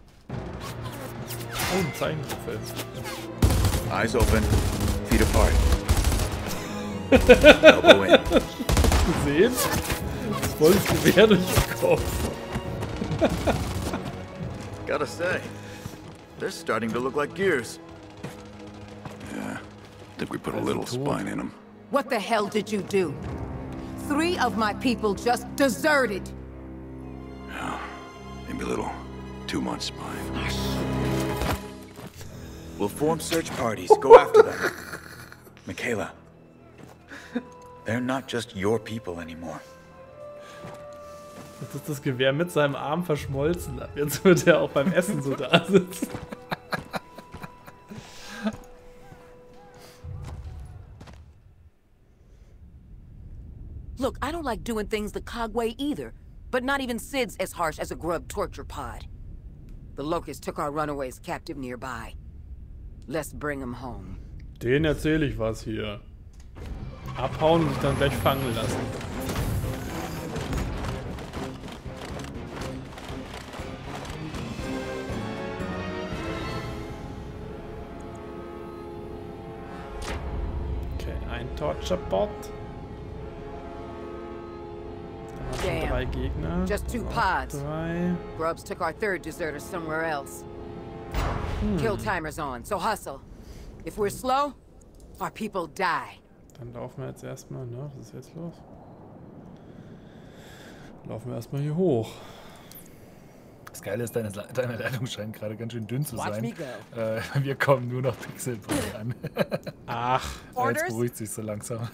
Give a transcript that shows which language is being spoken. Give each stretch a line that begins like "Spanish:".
German: Oh, ein Zeichenpfeil.
English: Eyes open, feet apart. Elbow in.
German: Gesehen? Volles Gewehr durch den Kopf.
English: Gotta say, this is starting to look like Gears. Yeah, think we put a little spine in them. What the hell did you do? Three of my people just deserted. Yeah, maybe a little too much spine. We'll form search parties. Go after them. Mikaela, they're not just your people anymore. Jetzt ist das Gewehr mit seinem Arm verschmolzen. Jetzt wird er auch beim Essen so da sitzen. Look, I don't like doing things the cog way either, but not even Sid's as harsh as a grub torture pod. The Locust took our runaways captive nearby. Let's bring them home.
German: Den erzähle ich was hier. Abhauen und dann gleich fangen lassen. Okay, ein Torture-Bot. Gegner.
English: Just two pods.
German: Drei.
English: Grubs took our third deserter somewhere else. Kill timer's on, so hustle. If we're slow, our people die.
German: Dann laufen wir jetzt erstmal, ne? Was ist jetzt los? Laufen wir erstmal hier hoch. Das Geile ist, deine Leitung scheint gerade ganz schön dünn zu sein. Wir kommen nur noch pixelbreit an. Ach, jetzt beruhigt sich so langsam.